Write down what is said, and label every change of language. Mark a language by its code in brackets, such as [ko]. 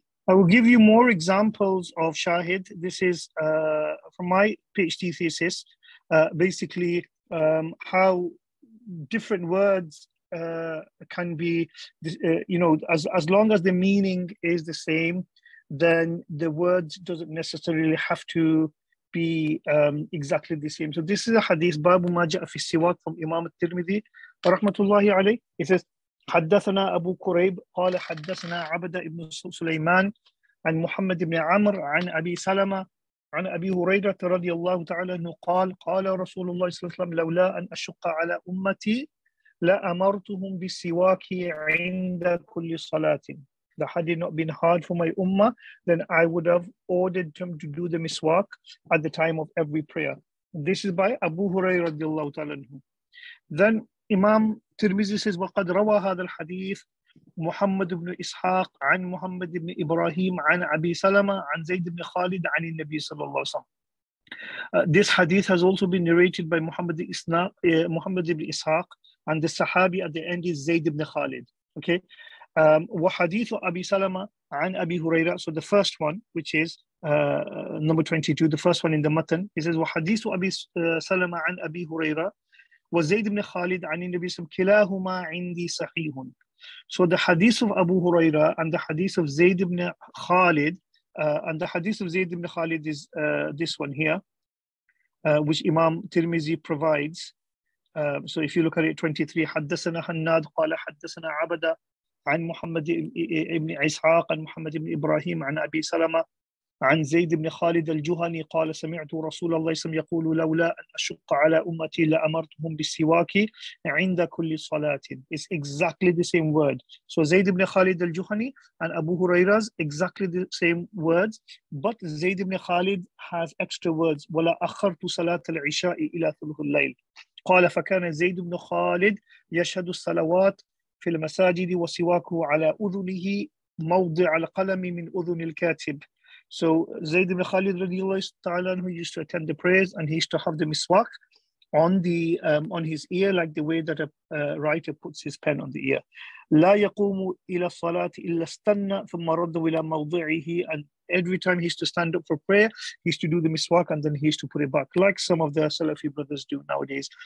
[en] I will give you more examples of Shahid. This is from my PhD thesis, basically how different words can be, you know, as long as the meaning is the same, then the words doesn't necessarily have to be exactly the same. So this is a hadith, Babu Maja'a fi Siwak, from Imam al-Tirmidhi, rahmatullahi alayhi. It says, [ar] حدثنا أبو كريب قال حدثنا عبد بن سليمان عن محمد بن عمر عن أبي سلمة عن أبي هريرة رضي الله تعالى عنه قال قال رسول الله صلى الله عليه وسلم لولا أن أشق على أمتي لأمرتهم بالسواك عند كل صلاة. [en] That had it not been hard for my ummah, then I would have ordered them to do the miswak at the time of every prayer. This is by Abu Hurairah رضي الله تعالى عنه. Then Imam Tirmizi says, [ar] وَقَدْ رَوَى هَذَا الْحَدِيثِ مُحَمَّدُ بْنُ إِسْحَاقِ عَنْ مُحَمَّدِ بْنِ إِبْرَاهِيمِ عَنْ أَبِي سَلَمَةِ عَنْ زَيْدِ بْنِ خَالِدِ عَنِ النَّبِيِّ صَلَى اللَّهُ وَسَلَّمَ. [en] This hadith has also been narrated by Muhammad ibn Ishaq, and the Sahabi at the end is Zayd ibn Khalid. [ar] Okay. وَحَدِيثُ أَبِي سَلَمَةِ عَنْ أَبِي هُرَيْرَةِ. [en] So the first one, which is number 22, the first one in the matan, he says, [ar] وَحَدِيثُ أَبِي سَلَمَةِ عَنْ أَبِي هُرَيْرَةِ وزيد بن خالد عن النبي صلى الله عليه وسلم كلاهما عندي صحيح. [en] So the hadith of Abu Huraira and the hadith of Zayd ibn Khalid, and the hadith of Zayd ibn Khalid is this one here, which Imam Tirmizi provides. So if you look at it, 23, [ar] حدثنا حناد قال حدثنا عبدة عن محمد ابن إسحاق عن محمد ابن إبراهيم عن أبي سلمة عن زيد بن خالد الجهني قال سمعت رسول الله صلى الله عليه وسلم يقول لولا أن أشق على أمتي لأمرتهم بالسواك عند كل صلاة. [en] It's exactly the same word. So زيد بن خالد الجهني and Abu Huraira's exactly the same words, but زيد بن خالد has extra words. [ar] ولا أخرت صلاة العشاء إلى ثلث الليل. قال فكان زيد بن خالد يشهد الصلوات في المساجد وسواكه على أذنه موضع القلم من أذن الكاتب. [en] So Zayd ibn Khalid radiallahu ta'ala, who used to attend the prayers, and he used to have the miswak on the on his ear, like the way that a writer puts his pen on the ear. [ar] La yaqumu ila salat illa stanna thumma radda ila mawdi'ihi. [en] And every time he used to stand up for prayer, he used to do the miswak and then he used to put it back, like some of the Salafi brothers do nowadays.